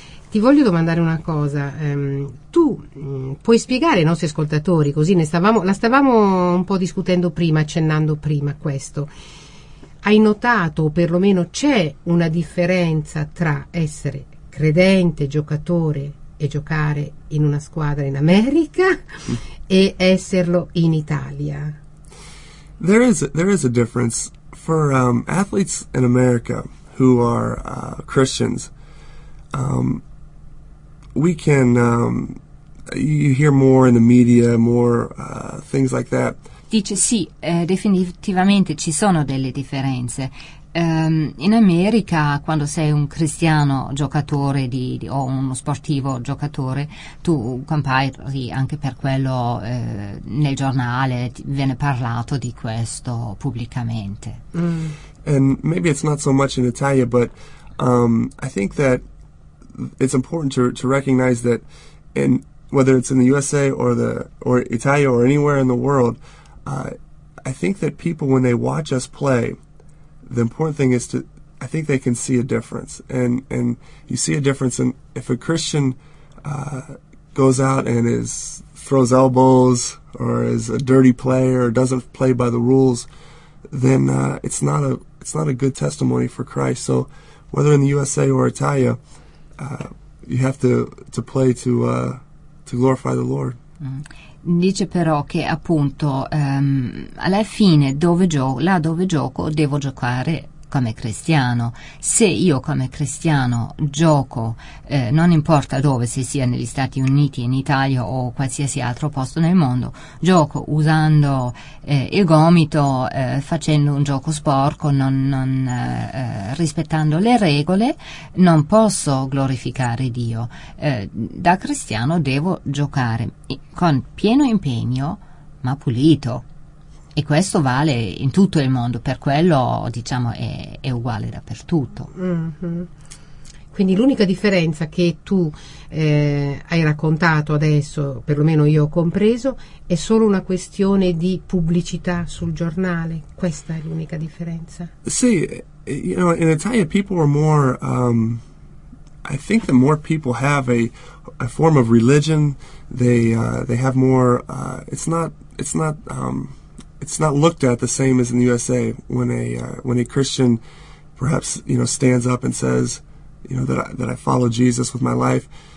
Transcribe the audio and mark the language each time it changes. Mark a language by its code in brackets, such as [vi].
[it] Ti voglio domandare una cosa, tu puoi spiegare ai nostri ascoltatori, così la stavamo un po' discutendo prima, accennando prima questo, hai notato, o perlomeno c'è una differenza tra essere credente, giocatore e giocare in una squadra in America e esserlo in Italia? [en] There is a difference for athletes in America who are Christians. We can, you hear more in the media, more things like that. [it] Dice sì, definitivamente ci sono delle differenze. In America, quando sei un cristiano giocatore o uno sportivo giocatore, tu compari anche per quello nel giornale, viene parlato di questo pubblicamente. [en] And maybe it's not so much in Italia, but I think that it's important to recognize that in whether it's in the USA or Italia or anywhere in the world, I think that people, when they watch us play, the important thing is I think they can see a difference. And you see a difference in if a Christian goes out and throws elbows or is a dirty player or doesn't play by the rules, then it's not a good testimony for Christ. So whether in the USA or Italia, you have to play to glorify the Lord. [it] Dice però che appunto alla fine dove gioco devo giocare come cristiano. Se io come cristiano gioco, non importa dove, se sia negli Stati Uniti, in Italia o qualsiasi altro posto nel mondo, gioco usando il gomito, facendo un gioco sporco, non rispettando le regole, non posso glorificare Dio. Da cristiano devo giocare con pieno impegno, ma pulito. E questo vale in tutto il mondo, per quello diciamo è uguale dappertutto. Mm-hmm. Quindi l'unica differenza che tu hai raccontato adesso, perlomeno io ho compreso, è solo una questione di pubblicità sul giornale. Questa è l'unica differenza. [en] Sì, you know, in Italia people are more I think the more people have a form of religion, they have more it's not looked at the same as in the USA when a Christian perhaps, you know, stands up and says, you know, that I follow Jesus with my life.